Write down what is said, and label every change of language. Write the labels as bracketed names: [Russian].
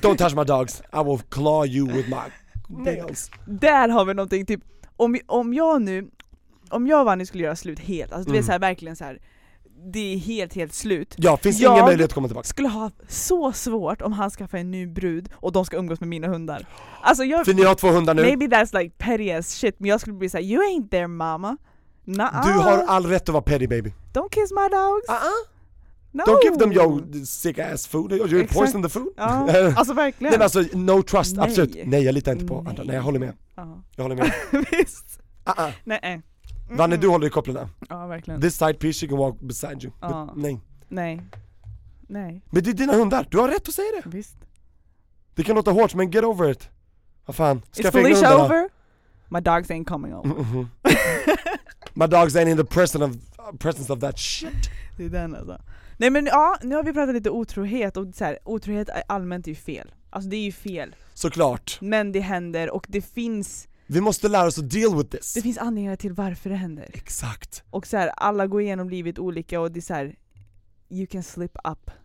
[English] Don't touch my dogs. I will claw you with my nails. [Swedish] Där har vi någonting typ. Om jag och Vanny skulle göra slut helt. Alltså, du vet så här, verkligen så här. Det är helt slut. Ja, finns ingen möjlighet att komma tillbaka. Jag skulle ha så svårt om han skaffar en ny brud och de ska umgås med mina hundar. Alltså jag, för ni har två hundar nu. [English] Maybe that's like petty as shit, [Swedish] men jag skulle bli så här, [English] you ain't there mama. Nah. [Swedish] Du har all rätt att vara petty baby. [English] Don't kiss my dogs. No. Don't give them your sick ass food. You poison the food. [Swedish] Alltså verkligen. Nej, alltså, [English] no trust, [Swedish] nej. Absolut. Nej, jag litar inte på andra. Nej, jag håller med. Jag håller med. Visst. Nej. Mm. Vanne, du håller i kopplen där. Ja, verkligen. [English] This side piece, you can walk beside you. [Swedish] Ja. Nej. Men det är dina hundar. Du har rätt att säga det. Visst. Det kan låta hårt, men [English] get over it. [Swedish] Vad fan. [English] Ska is Felicia over? My dogs ain't coming over. Mm-hmm. My dogs ain't in the presence of that shit. [Swedish] Det är den alltså. Nej, men ja, nu har vi pratat lite otrohet. Och så här, otrohet är allmänt ju fel. Alltså, det är ju fel. Såklart. Men det händer och det finns... Vi måste lära oss att [English] deal with this. [Swedish] Det finns anledningar till varför det händer. Exakt. Och så här, alla går igenom livet olika och det är så här, [English] you can slip up.